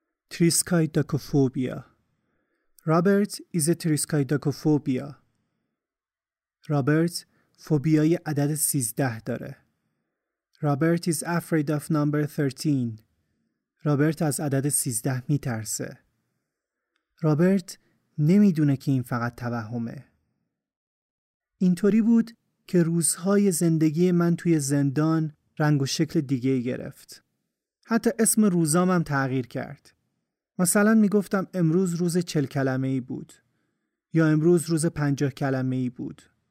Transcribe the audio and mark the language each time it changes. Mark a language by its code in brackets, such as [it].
[fa] تریسکایدکوفوبیا. رابرت از تریسکایدکوفوبیا. رابرت فوبیای عدد 13 داره. [en] Robert is afraid of number 13. [fa] Robert از عدد 13 میترسه. Robert نمیدونه که این فقط توهمه. اینطوری بود که روزهای زندگی من توی زندان رنگ و شکل دیگه گرفت. حتی اسم روزامم تغییر کرد. مثلا میگفتم امروز روز 40 کلمه‌ای بود یا امروز روز 50 کلمه‌ای بود.